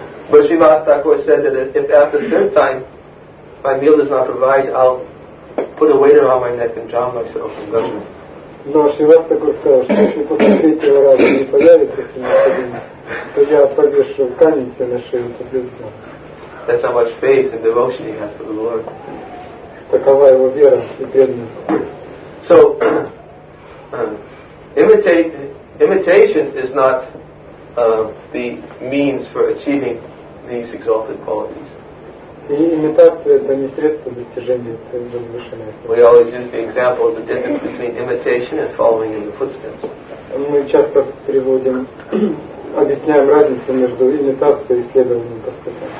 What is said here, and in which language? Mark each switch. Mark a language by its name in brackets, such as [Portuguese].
[English] But Shivastaku said that if after the third time my meal does not provide, I'll put a weight around my neck and drown myself in Ganga. [Russian] Но Шивастаку сказал, что если после третьего раза не появится необходимо, то я повешу камень себе на шею и поплюсь. [English] That's how much faith and devotion you have for the Lord. [Russian] Такова его вера и преданность. [English] So, imitation is not the means for achieving these exalted qualities. [Russian] И имитация — это не средство достижения возвышенной цели. [English] We always use the example of the difference between imitation and following in the footsteps. [Russian] Мы часто приводим, объясняем разницу между имитацией и следованием по стопам.